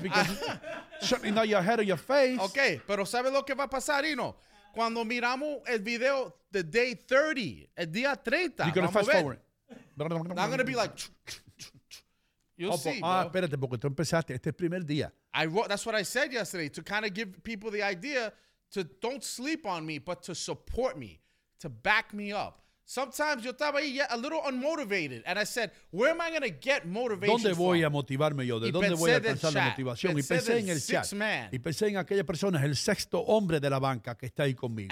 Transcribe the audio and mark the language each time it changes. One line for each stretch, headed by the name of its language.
English: Because certainly not your head or your face.
Spanish: Okay, pero ¿sabe lo que va a pasar, Hino? Cuando miramos el video,
English: the day 30,
Spanish: el día 30.
English: You're going to fast forward. I'm going to be like... You'll see, bro.
Spanish: Espérate, porque tú empezaste. Este es el primer día.
English: That's what I said yesterday, to kind of give people the idea to don't sleep on me, but to support me, to back me up. Sometimes
Spanish: yo estaba ahí
English: a little unmotivated, and I said, where am I going to get motivation
Spanish: ¿Dónde
English: from?
Spanish: Voy a motivarme yo? ¿De dónde voy a alcanzar la motivación? Y pensé en el chat. Man. Y pensé en aquella persona, el sexto hombre de la banca que está ahí conmigo.